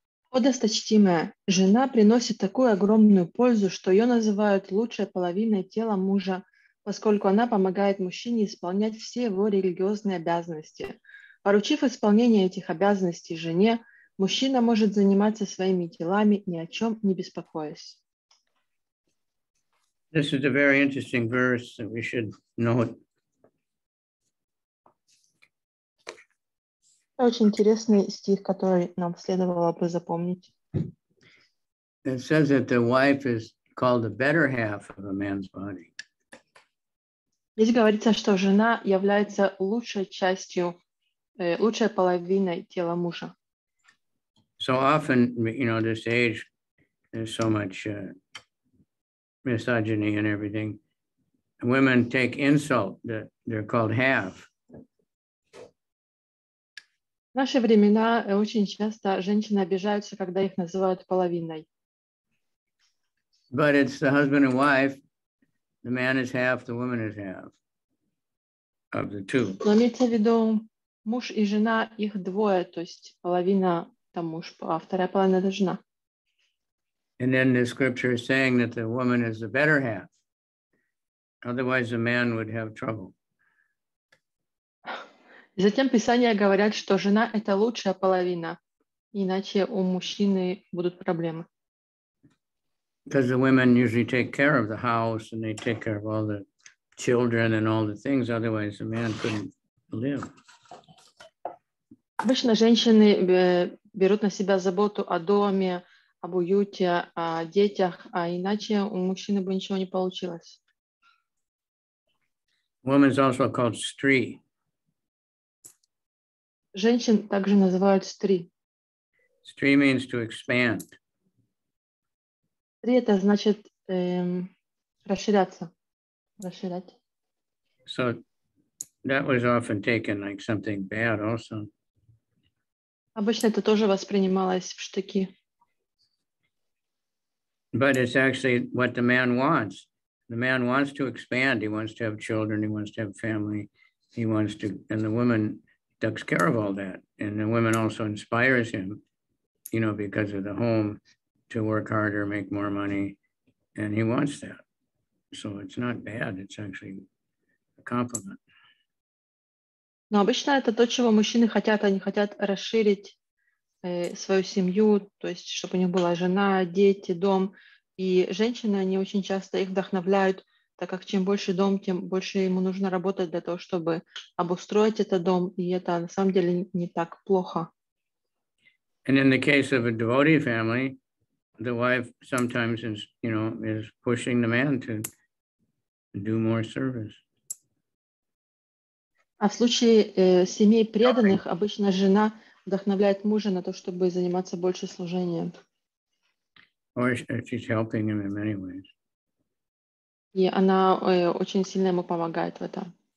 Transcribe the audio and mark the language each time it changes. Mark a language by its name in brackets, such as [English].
[Russian] О, досточтимая, жена приносит такую огромную пользу, что ее называют лучшей половиной тела мужа, поскольку она помогает мужчине исполнять все его религиозные обязанности. Поручив исполнение этих обязанностей жене, мужчина может заниматься своими телами, ни о чем не беспокоясь. [English] This is a very interesting verse that we should note. [Russian] Очень интересный стих, который нам следовало бы запомнить. [English] It says that the wife is called the better half of a man's body. [Russian] Здесь говорится, что жена является лучшей частью, лучшей половиной тела мужа. [English] So often, you know, this age, there's so much misogyny and everything. Women take insult that they're called half. [Russian] В наши времена очень часто женщины обижаются, когда их называют половиной. [English] But it's the husband and wife. The man is half, the woman is half of the two. [Russian] Но имеется в виду муж и жена, их двое, то есть половина там муж, а вторая половина это жена. [English] And then the scripture is saying that the woman is the better half. Otherwise the man would have trouble. [Russian] И затем Писания говорят, что жена – это лучшая половина, иначе у мужчины будут проблемы. [English] Because the women usually take care of the house, and they take care of all the children and all the things, otherwise the man couldn't live. [Russian] Обычно женщины берут на себя заботу о доме, об уюте, о детях, а иначе у мужчины бы ничего не получилось. [English] Woman is also called stri. [Russian] Женщин также называют стри. [English] Стри means to expand. [Russian] Стри – это значит расширяться, расширять. [English] So that was often taken like something bad also. [Russian] Обычно это тоже воспринималось в штыки. [English] But it's actually what the man wants. The man wants to expand. He wants to have children. He wants to have family. He wants to, and the woman takes care of all that, and the woman also inspires him, you know, because of the home, to work harder, make more money, and he wants that. So it's not bad, it's actually a compliment. [Russian] Но обычно это то, чего мужчины хотят. Они хотят расширить свою семью, то есть чтобы у них была жена, дети, дом. И женщины, они очень часто их вдохновляют, так как чем больше дом, тем больше ему нужно работать для того, чтобы обустроить этот дом, и это на самом деле не так плохо. [English] And in the case of a devotee family, the wife sometimes is, you know, is pushing the man to do more service. [Russian] А в случае семей преданных обычно жена вдохновляет мужа на то, чтобы заниматься больше служением. [English] Or she's helping him in many ways. [Russian] И она очень сильно ему помогает в этом.